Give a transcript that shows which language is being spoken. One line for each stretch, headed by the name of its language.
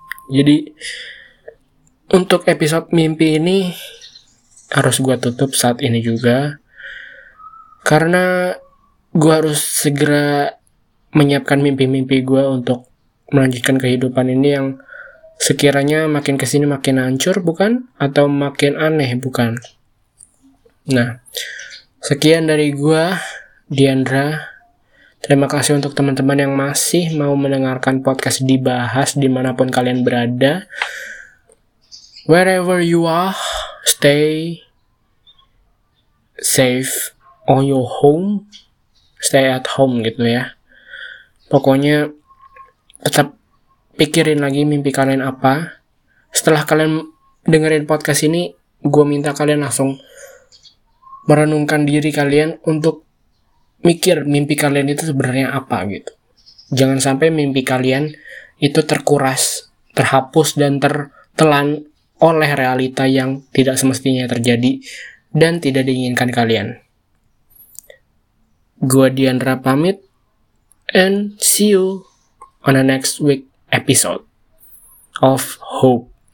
Indonesian: Jadi untuk episode mimpi ini harus gue tutup saat ini juga, karena gue harus segera menyiapkan mimpi-mimpi gue untuk melanjutkan kehidupan ini yang sekiranya makin kesini makin hancur bukan, atau makin aneh bukan. Nah, sekian dari gue, Diandra. Terima kasih untuk teman-teman yang masih mau mendengarkan podcast Dibahas dimanapun kalian berada.
English: Wherever you are, stay safe on your home. Stay at home
Indonesian: gitu ya. Pokoknya tetap pikirin lagi mimpi kalian apa. Setelah kalian dengerin podcast ini, gue minta kalian langsung merenungkan diri kalian untuk mikir mimpi kalian itu sebenarnya apa gitu. Jangan sampai mimpi kalian itu terkuras, terhapus, dan tertelan oleh realita yang tidak semestinya terjadi dan tidak diinginkan kalian. Gua Diandra pamit,
English: and see you on the next week episode of Hope.